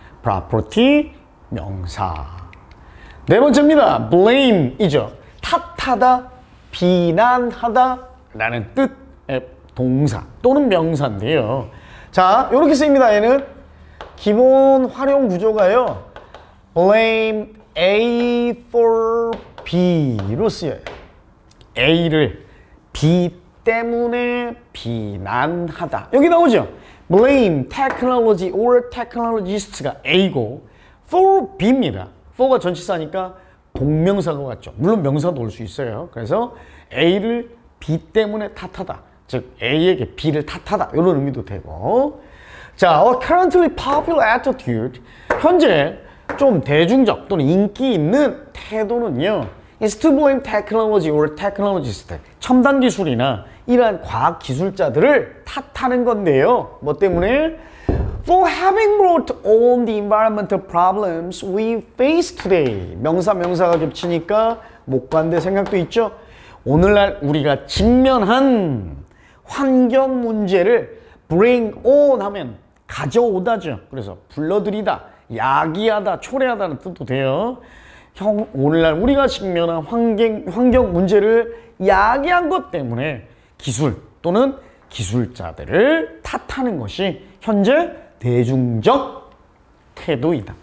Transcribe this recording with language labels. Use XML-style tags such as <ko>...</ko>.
<en>property, 명사.</en> <ko>네 번째입니다. blame이죠. 탓하다, 비난하다 라는 뜻의 동사 또는 명사인데요. 자, 요렇게 쓰입니다. 얘는 기본 활용 구조가요.</ko> <en>blame A for B로 쓰여요.</en> <ko>A를 B 때문에 비난하다. 여기 나오죠?</ko> <en>blame technology or technologists가 A고 for B입니다.</en> <ko>for가 전치사니까 동명사가 같죠. 물론 명사도 올 수 있어요. 그래서 A를 B 때문에 탓하다. 즉 A에게 B를 탓하다. 이런 의미도 되고.</ko> <en>자, currently popular attitude.</en> <ko>현재 좀 대중적 또는 인기 있는 태도는요.</ko> <en>is to blame technology or technologists.</en> <ko>첨단 기술이나 이러한 과학 기술자들을 탓하는 건데요. 뭐 때문에?</ko> <en>For having brought on the environmental problems we face today.</en> <ko>명사 명사가 겹치니까 목관대 생각도 있죠. 오늘날 우리가 직면한 환경 문제를 bring on 하면 가져오다죠. 그래서 불러들이다, 야기하다, 초래하다는 뜻도 돼요. 형, 오늘날 우리가 직면한 환경 문제를 야기한 것 때문에 기술 또는 기술자들을 탓하는 것이 현재 대중적 태도이다.</ko>